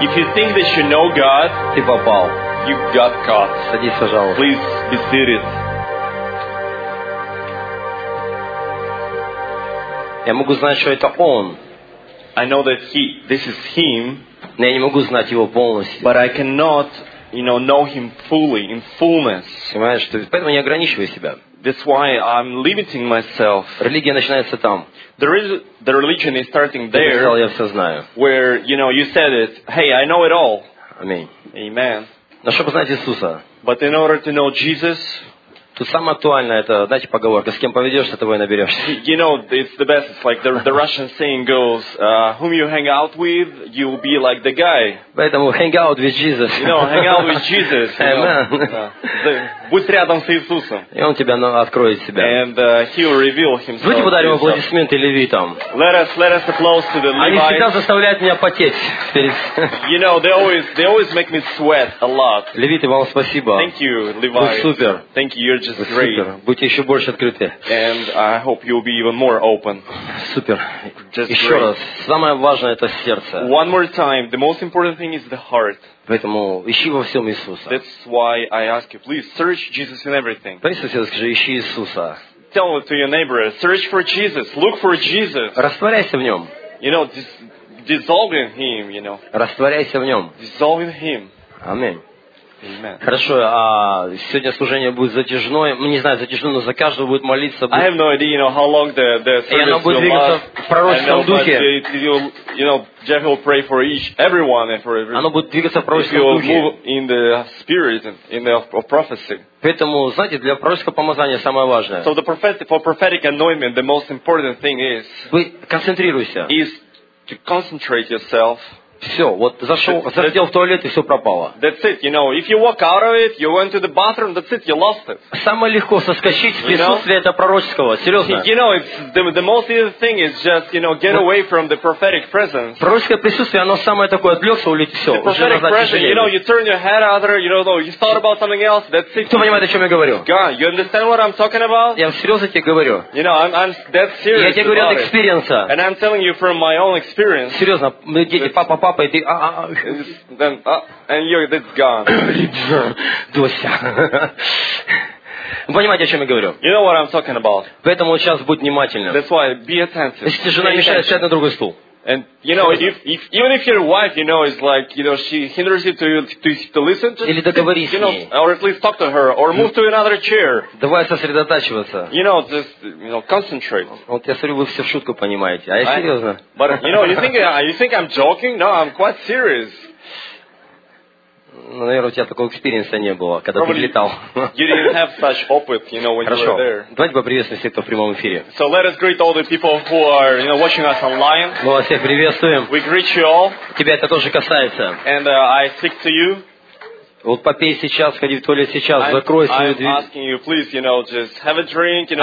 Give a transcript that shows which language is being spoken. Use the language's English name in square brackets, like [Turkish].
[English] if you think that you know God, [Russian] ты попал. [English] You got caught. [Russian] Садись, пожалуйста. [English] Please be seated. [Russian] Я могу знать, что это Он. [English] I know that he, this is Him. [Russian] Но я не могу знать Его полностью. [English] But I cannot, you know Him fully, in fullness. [Russian] Понимаешь, поэтому я ограничиваю себя. [English] That's why I'm limiting myself. [Russian] Религия начинается там. [English] The religion is starting there. [Russian] Я сказал, я все знаю. [English] Where, you know, you said it. Hey, I know it all. [Russian] Amen. Но чтобы знать Иисуса. [English] But in order to know Jesus. [Russian] Тут самое актуальное, это, знаете, поговорка, с кем поведешься, того и наберешься. [English] You know, it's the best, it's like the Russian saying goes, whom you hang out with, you will be like the guy. [Russian] Поэтому [English] hang out with Jesus. You know, hang out with Jesus. Amen. [Russian] Будь рядом с Иисусом. И Он тебя откроет себя. [English] And He will reveal Himself. [Russian] Давайте подарим аплодисменты левитам. [English] Let us applause to the Levites. [Russian] Они всегда заставляют меня потеть. Перед... [English] You know, they always make me sweat a lot. [Russian] Левиты, вам спасибо. [English] Thank you, Levites. [Russian] Вы супер. [English] Thank you, you're just great. [Russian] Супер. Будьте еще больше открыты. [English] And I hope you'll be even more open. [Russian] Супер. [English] Just [Russian] еще [English] great. [Russian] Раз. Самое важное это сердце. [English] One more time. The most important thing is the heart. [Russian] Поэтому ищи во всем Иисуса. [English] That's why I ask you, please search Jesus in everything. [Russian] Скажи, ищи Иисуса. [English] Tell it to your neighbor, search for Jesus, look for Jesus. [Russian] Растворяйся в нем. [English] You know, dissolve in Him, you know. [Russian] Растворяйся в нем. [English] Dissolve in Him. [Russian] Аминь. [English] Amen. [Russian] Хорошо, а сегодня служение будет затяжное. Не знаю, затяжное, но за каждого будет молиться. [English] I have no idea, you know, how long the service will last. [Russian] И оно будет двигаться в пророческом духе. [English] Jeff will pray for each, everyone and for everyone. [Russian] Оно будет двигаться в пророческом духе. [English] If you move in the spirit, in the prophecy. [Russian] Поэтому, знаете, для пророческого помазания самое важное. [English] So the prophetic, for prophetic anointment, the most important thing is. [Russian] Вы концентрируйся. [English] Is to concentrate yourself. [Russian] Все, вот зашел в туалет и все пропало. [English] That's it, you know. If you walk out of it, you went to the bathroom, that's it, you lost it. [Russian] Самое легко соскочить в присутствие этого пророческого, серьезно. [English] You know, it's the most easy thing is just, you know, get away from the prophetic presence. [Russian] Пророческое присутствие, оно самое такое, отвлекся, улетел, все, уже назад тяжелее. [English] You know, you turn your head other, you don't know, you thought about something else, that's it. [Russian] Кто понимает, о чем я говорю? [English] God, you understand what I'm talking about? [Russian] Я серьезно тебе говорю. [English] You know, I'm that serious. [Russian] Я тебе говорю от экспириенса. [English] And I'm telling you from my own experience. [Russian] Серьезно, мы дети, папа. [English] And then, and you're this gone. [Russian] Дося. Понимаете, о чем я говорю? [English] You know what I'm talking about. [Russian] Поэтому сейчас будь внимательным. [English] That's why be attentive. [Russian] Если жена мешает, сядь на другой стул. [English] And you know, if even if your wife, you know, is like, you know, she hinders you to listen to, [Russian] или договорись, [English] you know, or at least talk to her, or move to another chair. [Russian] Давай сосредотачиваться. [English] You know, just, you know, concentrate. [Russian] Вот я смотрю, вы все в шутку понимаете, а я серьезно. [English] But you know, you think I'm joking? No, I'm quite serious. [Russian] Ну, наверное, у тебя такого экспириенса не было, когда ты летал. [English] You didn't have such opit, you know, when [Russian] хорошо. [English] You were there. [Russian] Давайте поприветствуем всех, кто в прямом эфире. [English] So let us greet all the people who are, you know, watching us online. [Russian] Мы вас всех приветствуем. [English] We greet you all. [Russian] Тебя это тоже касается. [English] And I speak to you. [Russian] Вот попей сейчас, ходи в туалет сейчас, закрой свою дверь. [English] I'm asking you, please, you know, just have a drink, you know,